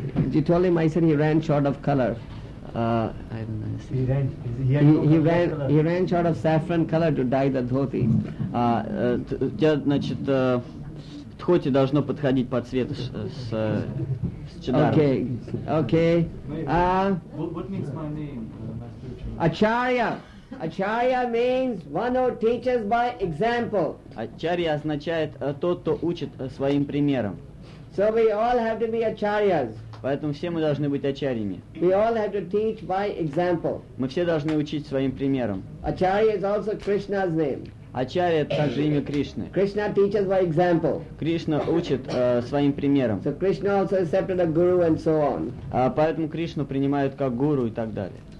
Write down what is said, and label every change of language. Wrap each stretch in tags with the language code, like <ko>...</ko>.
<en>You told him, I said he ran short of color. I don't know. He ran short of saffron color to dye the dhoti.</en> <ru>Дхоти должно подходить по цвету с</ru> <en>Okay. What means my name? Acharya. Acharya means one who teaches by example.</en> <ru>Acharya означает тот, кто учит своим примером.</ru> <en>So we all have to be acharyas.</en> <ru>Поэтому все мы должны быть ачарьями.</ru> <en>We all have to teach by example.</en> <ru>Мы все должны учить своим примером.</ru> <en>Acharya is also Krishna's name.</en> <ru>Ачарья — это также имя Кришны.</ru> <en>Krishna teaches by example.</en> <ru>Кришна учит своим примером.</ru> <en>So Krishna also accepted a guru and so on.</en> <ru>Поэтому Кришну принимают как гуру и так далее.</ru>